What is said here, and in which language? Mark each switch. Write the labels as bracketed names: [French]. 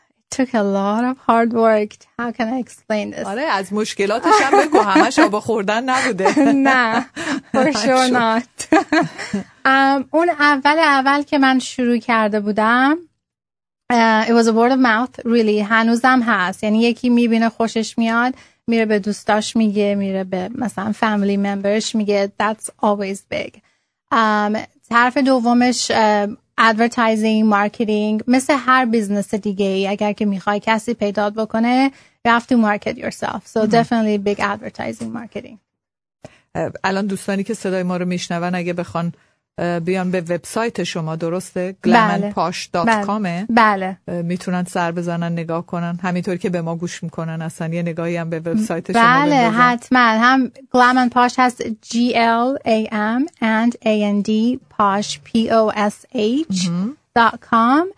[English] It took a lot of hard work. How can I explain this? [Persian] آره، از مشکلاتش هم بگو، همش آب خوردن نبوده. نه، [English] for sure not. [Persian] اون اول که من شروع کرده بودم [English] it was a word of mouth really. [Persian] هنوزم هست، یعنی یکی میبینه خوشش میاد میره به دوستاش میگه، میره به مثلا family members میگه، [English] that's always big. [Persian] طرف دومش ادورتایزینگ، مارکتینگ، مثل هر بیزنس دیگه ای اگر که میخوای کسی پیدا بکنه [English] you have to market yourself. So definitely big advertising marketing. [Persian] الان دوستانی که صدای ما رو میشنون اگه بخوان بیان به وبسایت شما درسته glamandposh.com بله میتونن سر بزنن نگاه کنن، همینطور که به ما گوش میکنن اصلا یه نگاهی هم به وبسایت شما بندازن. بله حتما، هم glamandposh هست glamandposh.com